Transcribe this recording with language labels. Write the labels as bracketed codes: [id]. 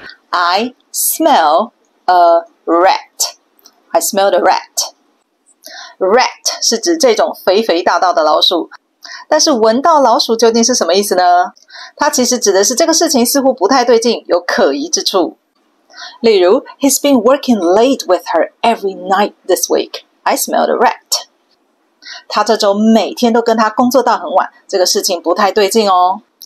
[en] I smell a rat. I smell a rat. [zh] Rat 是指这种肥肥大大的老鼠，但是闻到老鼠究竟是什么意思呢？它其实指的是这个事情似乎不太对劲，有可疑之处。 [en] 例如 He's been working late with her every night this week. I smell the rat. [zh] 他这周每天都跟他工作到很晚，这个事情不太对劲哦。